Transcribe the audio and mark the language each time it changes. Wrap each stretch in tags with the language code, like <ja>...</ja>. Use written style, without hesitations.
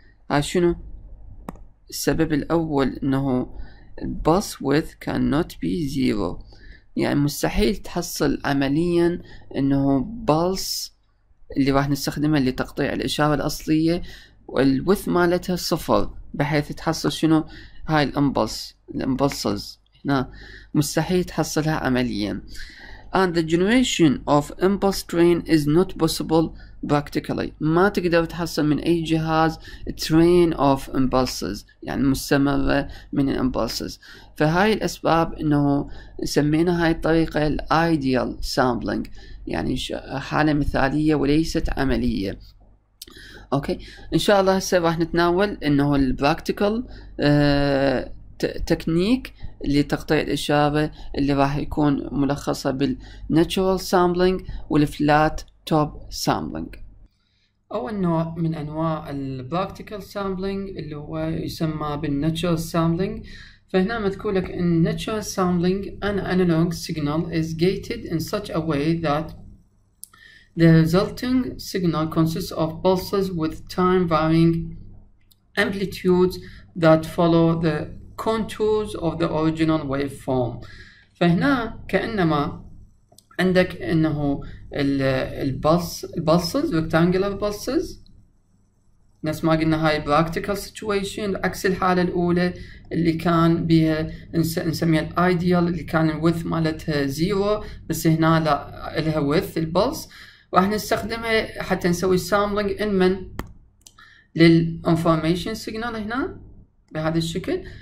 <ar>هاي شنو السبب الاول، انه</ar> <en>pulse width cannot be zero،</en> <ar>يعني مستحيل تحصل عمليا انه pulse اللي راح نستخدمها لتقطيع الاشارة الاصلية والwidth مالتها صفر، بحيث تحصل شنو هاي الامبلسز، هنا مستحيل تحصلها عمليا.</ar> <en>And the generation of impulse train is not possible practically.</en> <ar>ما تقدر تحصل من أي جهاز train of impulses، يعني مستمرة من impulses. فهاي الأسباب إنه سمينا هاي الطريقة ideal sampling، يعني حالة مثالية وليست عملية. أوكي، إن شاء الله هسه راح نتناول إنه ال practical technique لتقطيع الإشارة اللي راح يكون ملخصة بال natural sampling وال flat top sampling. أول نوع من أنواع ال practical sampling اللي هو يسمى بال natural sampling. فهنا مذكور لك إن</ar> <en>natural sampling an analog signal is gated in such a way that the resulting signal consists of pulses with time varying amplitudes that follow the contours of the original waveform.</en> <ar>فهنا كأنما عندك انه البلسز rectangular pulses نفس ما قلنا هاي practical situation عكس الحالة الأولى اللي كان بها نسميها ideal اللي كان الwidth مالتها zero بس هنا لا لها width البلس، راح نستخدمها حتى نسوي sampling in من للinformation signal هنا بهذا الشكل.</ar>